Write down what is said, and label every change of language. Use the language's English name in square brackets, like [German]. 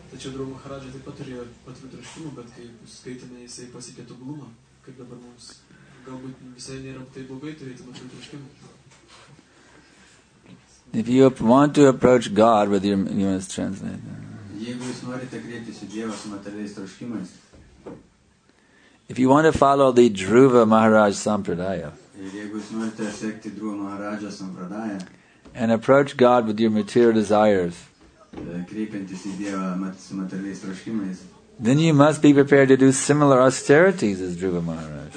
[Lithuanian] Tačiau Dhruva Maharaja taip pat turėjo patirti troškimų, bet kai skaitėme, jisai pasiekė tobulumą, kaip dabar mums. Galbūt visai nėra taip blogai turėti materialių troškimų. [English] If you want to approach God with your US translator. [Lithuanian] Jeigu jūs norite kreiptis į Dievą su materialiais troškimais. [English] If you want to follow the Dhruva Maharaj Sampradaya. [Lithuanian] Jeigu jūs norite sekti Dhruva Maharaja Sampradaya. [English] And approach God with your material desires. [Lithuanian] Kreipiantis į Dievą su materialiais troškimais. [English] Then you must be prepared to do similar austerities as Dhruva Maharaj.